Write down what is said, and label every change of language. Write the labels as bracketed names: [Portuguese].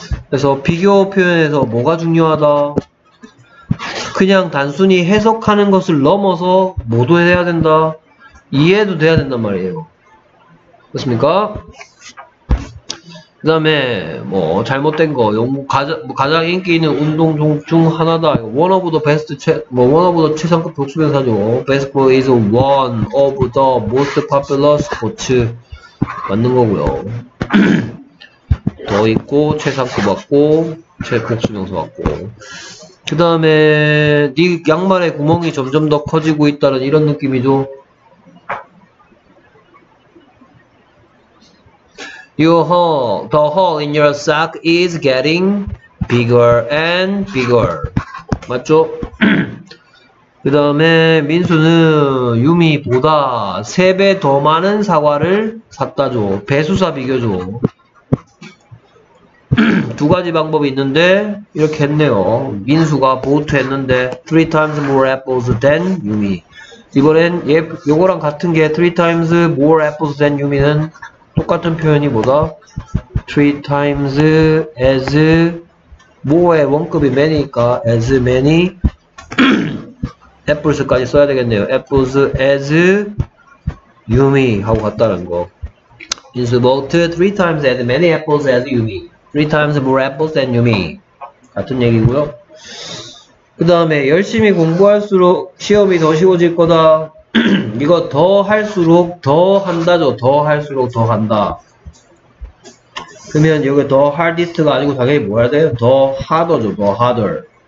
[Korean] 그래서 비교 표현에서 뭐가 중요하다? 그냥 단순히 해석하는 것을 넘어서 뭐도 해야 된다? 이해도 돼야 된단 말이에요. 그렇습니까? 그다음에 뭐 잘못된 거 가장 인기 있는 운동 중 하나다. [English] One of the best [Korean] 최상급 복수명사죠. [English] Baseball is one of the most popular sports. [Korean] 맞는 거고요. 더 있고 최상급 맞고 최복수명사 맞고. 그다음에 네 양말에 구멍이 점점 더 커지고 있다는 이런 느낌이죠. [English] The hole in your sock is getting bigger and bigger. [Korean] 맞죠? 그 다음에 민수는 유미보다 3배 더 많은 사과를 샀다죠. 배수사 비교죠. 두 가지 방법이 있는데 이렇게 했네요. 민수가 보트 했는데 [English] 3 times more apples than 유미. [Korean] 이번엔 얘 요거랑 같은 게 [English] 3 times more apples than [Korean] 유미는 똑같은 표현이 뭐다? 3 times as 뭐의 원급이 many니까 as many apples까지 써야 되겠네요. [English] apples as yumi [Korean] 하고 같다는 거. [English] is about 3 times as many apples as yumi. 3 times more apples than yumi. [Korean] 같은 얘기고요. 그 다음에 열심히 공부할수록 시험이 더 쉬워질 거다. 이거 더 할수록 더 한다죠. 더 할수록 더 간다. 그러면 여기 더 hardest가 아니고 당연히 뭐 해야 돼요? 더 harder죠. 더 harder.